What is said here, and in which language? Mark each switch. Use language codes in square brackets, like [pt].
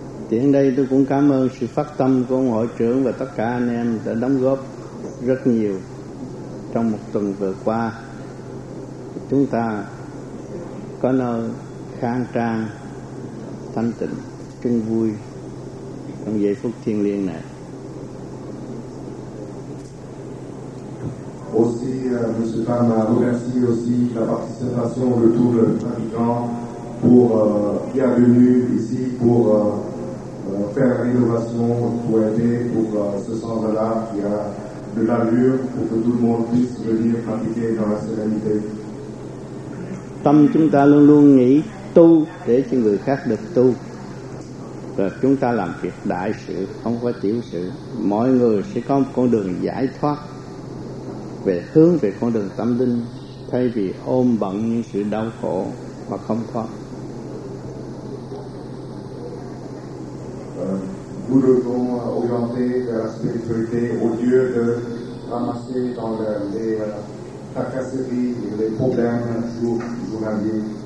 [vi] Hiện đây tôi cũng cảm ơn sự phát tâm của ông hội trưởng và tất cả anh em đã đóng góp rất nhiều trong một tuần vừa qua. chúng ta có nơi khang trang, thanh tịnh, chung vui trong giây phút thiêng liêng này. [fr] Aussi, Monsieur Pham, vous remercie aussi de la participation au retour de Vatican pour qui a venu ici pour faire la rénovation, pour aider pour ce centre-là qui a de l'allure pour que tout le monde puisse venir pratiquer dans la sérénité. [vi] Tâm chúng ta luôn luôn nghĩ tu để cho người khác được tu. Rồi chúng ta làm việc đại sự, không có tiểu sự. Mọi người sẽ có một con đường giải thoát về hướng về con đường tâm linh, thay vì ôm bận những sự đau khổ mà không thoát. [fr] Nous devons orienter de la spiritualité au lieu de ramasser dans les tracasseries et les problèmes journaliers.